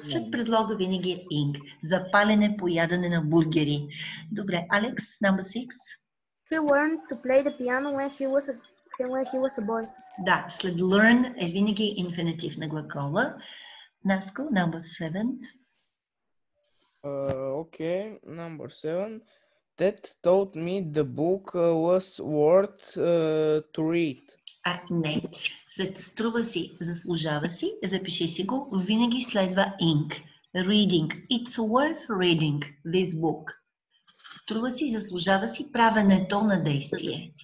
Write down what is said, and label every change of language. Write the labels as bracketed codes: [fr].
[bg] След предлога винаги е ing. Запалене, поядане на бургери. Добре, [en] Алекс, number six. He learned to play the piano when he was a boy. [bg] Да, след learn е винаги инфинитив на глагола. [en] Наско, number seven. Okay, number seven. Ted told me the book was worth to read. [bg] А, не. След струва си, заслужава си, запиши си го, винаги следва ink. [en] Reading. It's worth reading this book. [bg] Струва си, заслужава си, правенето на действие.